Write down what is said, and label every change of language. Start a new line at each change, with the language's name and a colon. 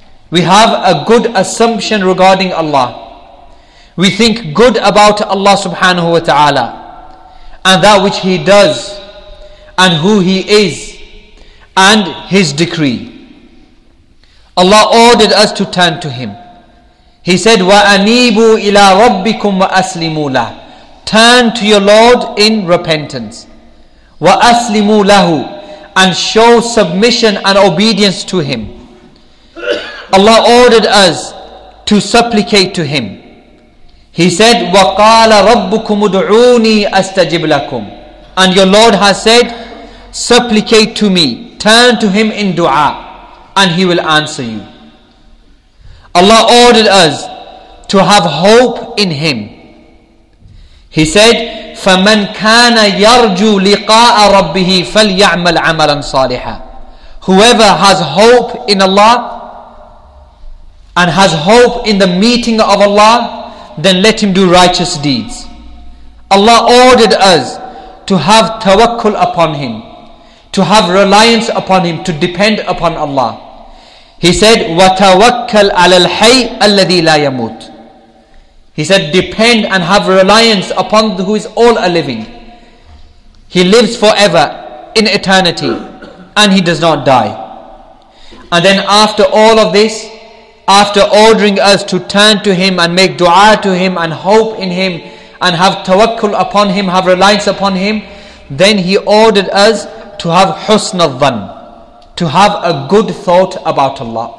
English: We have a good assumption regarding Allah. We think good about Allah subhanahu wa ta'ala, and that which He does, and who He is, and His decree. Allah ordered us to turn to Him. He said,
Arabic: وَأَنِيبُوا إِلَىٰ رَبِّكُمْ وَأَسْلِمُوا لَهُ.
English: Turn to your Lord in repentance.
Arabic: وَأَسْلِمُوا لَهُ.
English: And show submission and obedience to Him. Allah ordered us to supplicate to Him. He said,
Arabic: وَقَالَ رَبُّكُمُ ادْعُونِي أَسْتَجِبْ لَكُمْ.
English: And your Lord has said, supplicate to me. Turn to Him in dua. And He will answer you. Allah ordered us to have hope in Him. He said,
Arabic: فَمَنْ كَانَ يَرْجُو لِقَاءَ رَبِّهِ فَلْيَعْمَلْ عَمَلًا صَالِحًا.
English: Whoever has hope in Allah and has hope in the meeting of Allah, then let him do righteous deeds. Allah ordered us to have tawakkul upon Him, to have reliance upon Him, to depend upon Allah. He said,
Arabic: وَتَوَكَّلْ عَلَى الْحَيِّ الَّذِي لَا يَمُوتُ.
English: He said, depend and have reliance upon who is all a living. He lives forever in eternity and He does not die. And then after all of this, after ordering us to turn to Him and make dua to Him and hope in Him and have tawakkul upon Him, have reliance upon Him, then He ordered us to have husn al-dhan, to have a good thought about Allah.